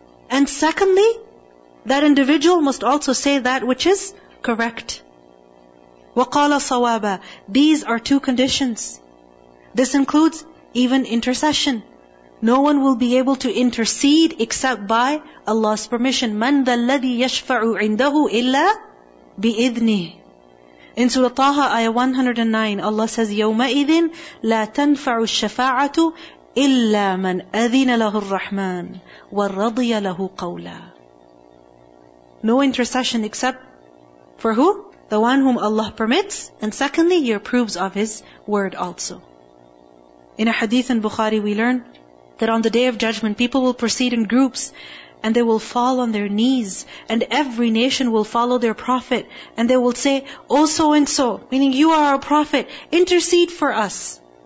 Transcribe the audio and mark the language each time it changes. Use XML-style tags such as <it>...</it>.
<en>And secondly, that individual must also say that which is correct.</en> <ar>وَقَالَ صَوَابًا.</ar> <en>These are two conditions. This includes even intercession. No one will be able to intercede except by Allah's permission.</en> <ar>مَنْ ذَلَّذِي يَشْفَعُ عِنْدَهُ إِلَّا بِإِذْنِهِ.</ar> <en>In Surah Taha, Ayah 109, Allah says,</en> <ar>يَوْمَئِذٍ لَا تَنْفَعُ الشَّفَاعَةُ إِلَّا مَنْ أَذِنَ لَهُ الرَّحْمَنُ وَرَضِيَ لَهُ قَوْلًا.</ar> <en>No intercession except for who? The one whom Allah permits. And secondly, He approves of His word also. In a hadith in Bukhari, we learn that on the Day of Judgment, people will proceed in groups and they will fall on their knees and every nation will follow their prophet and they will say, oh so and so, meaning you are our prophet, intercede for us.</en>